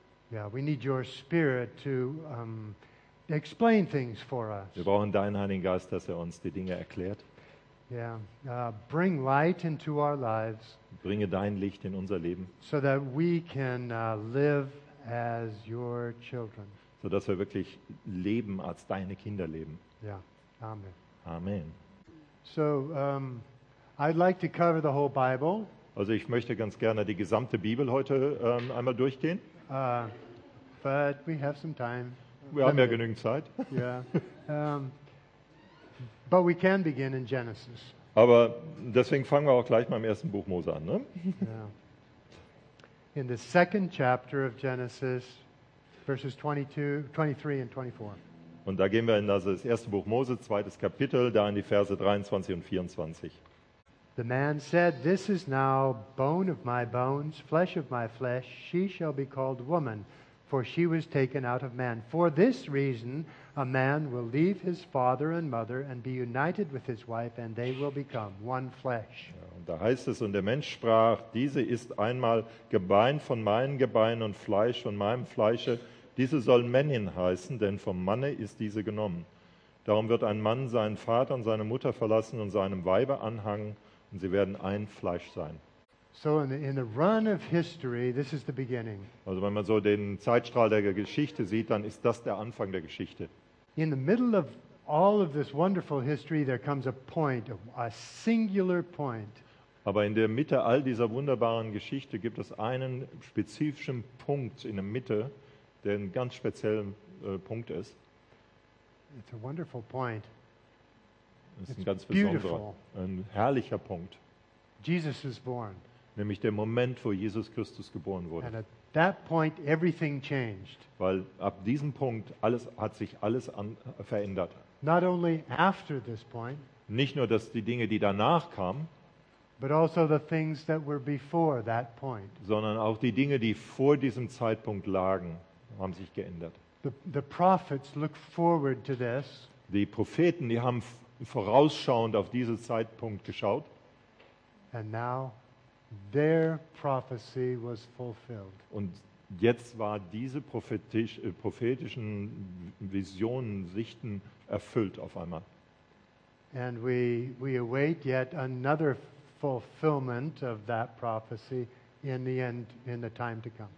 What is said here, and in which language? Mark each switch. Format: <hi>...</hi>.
<en>Yeah, we need your spirit to explain things for us.</en> <de>Wir brauchen deinen Heiligen Geist, dass uns die Dinge erklärt.</de> <en>Yeah, bring light into our lives.</en> <de>Bringe dein Licht in unser Leben.</de> <en>So that we can live as your children.</en> <de>So dass wir wirklich leben als deine Kinder leben.</de> <en>Yeah. Amen.</en> <de>Amen.</de> <en>So I'd like to cover the whole Bible.</en> <de>Also ich möchte ganz gerne die gesamte Bibel heute einmal durchgehen.</de> <en>But we have some time.</en> <de>Wir haben ja genügend Zeit.</de> <en>Yeah. But we can begin in Genesis.</en> <de>Aber deswegen fangen wir auch gleich mal im ersten Buch Mose an, ne?</de> <en>In the second chapter of Genesis, verses 23 and 24.</en> <de>Und da gehen wir in das erste Buch Mose, zweites Kapitel, da in die Verse 23 und 24.</de> <en>The man said, "This is now bone of my bones, flesh of my flesh. She shall be called woman, for she was taken out of man. For this reason, a man will leave his father and mother and be united with his wife, and they will become one flesh."</en> <de>Und da heißt es, und der Mensch sprach, diese ist einmal Gebein von meinen Gebeinen und Fleisch von meinem Fleische. Diese soll Männin heißen, denn vom Manne ist diese genommen. Darum wird ein Mann seinen Vater und seine Mutter verlassen und seinem Weibe anhangen, und sie werden ein Fleisch sein.</de> <en>So in the run of history, this is the beginning.</en> <de>Also wenn man so den Zeitstrahl der Geschichte sieht, dann ist das der Anfang der Geschichte.</de> <en>In the middle of all of this wonderful history, there comes a point, a singular point.</en> <de>Aber in der Mitte all dieser wunderbaren Geschichte gibt es einen spezifischen Punkt in der Mitte, der ein ganz speziellen Punkt ist.</de> <en>It's a wonderful point.</en> <de>Das ist ein ganz besonderer, ein herrlicher Punkt.</de> <en>Jesus is born.</en> <de>Nämlich der Moment, wo Jesus Christus geboren wurde.</de> <en>And at that point everything changed.</en> <de>Weil ab diesem Punkt hat sich alles verändert.</de> <en>Not only after this point,</en> <de>nicht nur dass die Dinge, die danach kamen,</de> <en>but also the things that were before that point.</en> <de>Sondern auch die Dinge, die vor diesem Zeitpunkt lagen, haben sich geändert.</de> <en>The prophets look forward to this.</en> <de>Die Propheten, die haben vorausschauend auf diesen Zeitpunkt geschaut.</de> <en>And now their prophecy was fulfilled.</en> <de>Und jetzt war diese prophetischen Visionen, Sichten erfüllt auf einmal.</de> <en>And we await yet another fulfillment of that prophecy in the end, in the time to come.</en>